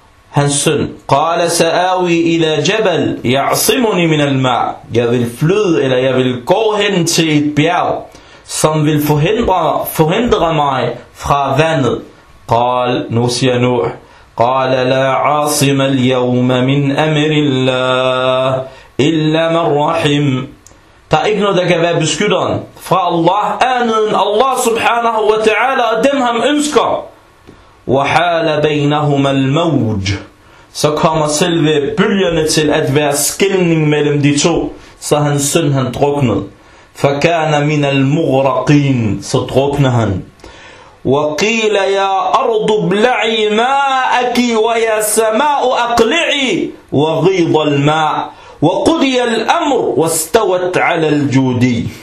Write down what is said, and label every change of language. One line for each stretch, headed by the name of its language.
Danish: Hans søn,
Arabic: قَالَ سَآوِي إِلَى جَبَلْ يَعْصِمُنِي مِنَ الْمَعْ.
Danish: Jeg vil flyde, eller jeg vil gå hen til et bjerg, som vil forhindre mig fra vandet.
Arabic: قال,
Danish: nu siger Nuh,
Arabic: قال لا عاصم اليوم من أمر الله إلا من رحم.
Danish: Der er ikke noget, der kan være beskytteren fra Allah, anden Allah subhanahu wa ta'ala, og dem ham ønsker.
Arabic: وحال بينهما الموج.
Danish: Så kommer selve bølgerne til at være skilning mellem de to, så hans søn han druknede.
Arabic: فكان من المغرقين. صدقنا هن. وقيل يا أرض ابلعي ماءك ويا سماء أقلعي وغيض الماء وقضي الأمر واستوت على الجودي.